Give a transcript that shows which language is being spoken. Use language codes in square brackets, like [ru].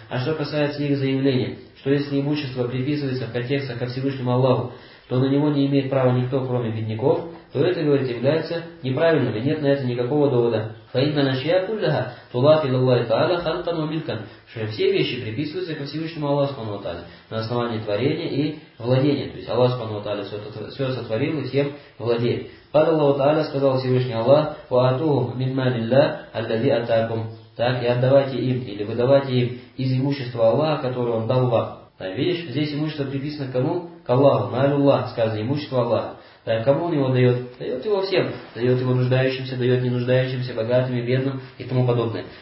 [ru] А что касается их заявления, что если имущество приписывается в контекстах ко Всевышнему Аллаху, то на него не имеет права никто, кроме бедняков, то это, говорит, является неправильным, и нет на это никакого довода. [ar] فَإِنَّ نَشْيَا كُلَّهَا تُضَافْ إِلَى اللَّهِ تَعَالَى خَلْقًا وَمِلْكًا. [ru] Что все вещи приписываются ко Всевышнему Аллаху Субхану ва Тааля на основании творения и владения. То есть Аллах Субхану ва Тааля все сотворил и всем владеет. [ar] قَالَ اللَّهُ تَعَالَى [ru] сказал Всевышний Аллах [ar] وَأَتُوهُمْ مِنْ مَالِ اللَّهِ أَلَّذِي أَتَاكُمْ. [ru] Так, и отдавайте им, или выдавайте им из имущества Аллаха, которое Он дал вам. Так, видишь, здесь имущество приписано кому? К Аллаху, Малюллах, сказано, имущество Аллаха. Так, кому Он его дает? Дает его всем. Дает его нуждающимся, дает ненуждающимся, богатым и бедным и тому подобное.